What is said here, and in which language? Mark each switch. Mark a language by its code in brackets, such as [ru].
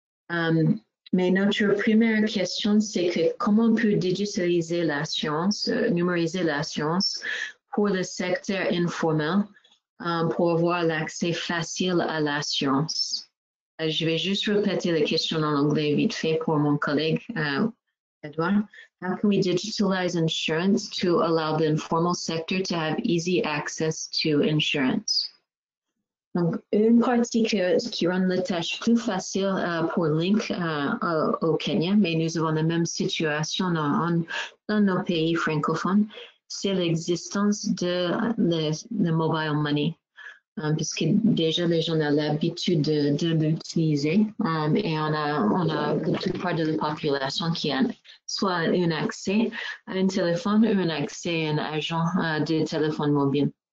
[fr] Mais notre première question, c'est que comment on peut digitaliser la science, numériser la science pour le secteur informel pour avoir l'accès facile à la science? Je vais juste répéter la question en anglais vite fait pour mon collègue. [en] Edouard, how can we digitalize insurance to allow the informal sector to have easy access to insurance? [fr] Donc, une partie qui rend la tâche plus facile pour Link au Kenya, mais nous avons la même situation dans nos pays francophones, c'est l'existence de le mobile money. Puisque déjà les gens ont l'habitude de l'utiliser et on a la plupart de la population qui a soit un accès à un téléphone ou un accès à un agent de téléphone mobile.